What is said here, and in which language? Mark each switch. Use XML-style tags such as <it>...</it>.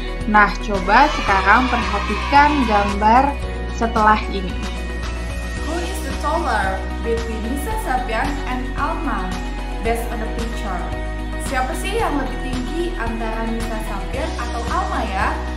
<id>Nah, coba sekarang perhatikan gambar setelah ini.</id> <en>Who is the taller between Nisa Sabian and Alma, based on the picture?</en> <id>Siapa sih yang lebih tinggi antara Nisa Sabian atau Alma ya?</id>